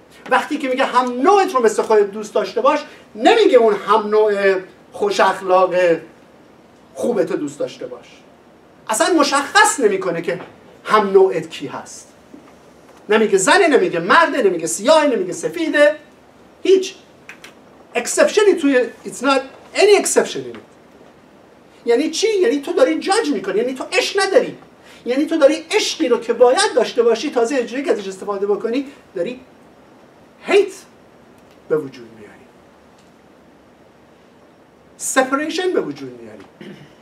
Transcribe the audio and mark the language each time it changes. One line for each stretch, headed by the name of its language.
Persian: وقتی که میگه هم نوعت رو مثل خودت دوست داشته باش، نمیگه اون هم نوع خوش اخلاق خوبت رو دوست داشته باش. اصلا مشخص نمیکنه که هم نوعت کی هست. نمیگه زنه، نمیگه مرده، نمیگه سیاهه، نمیگه سفیده. هیچ اکسپشنی توی
English: it's not any exception in it.
Persian: یعنی چی؟ یعنی تو داری جاج میکنی، یعنی تو عشق نداری، یعنی تو داری عشقی رو که باید داشته باشی تازه اجوری که ازش استفاده بکنی، داری هیت به وجود میاری، سپریشن به وجود میاری.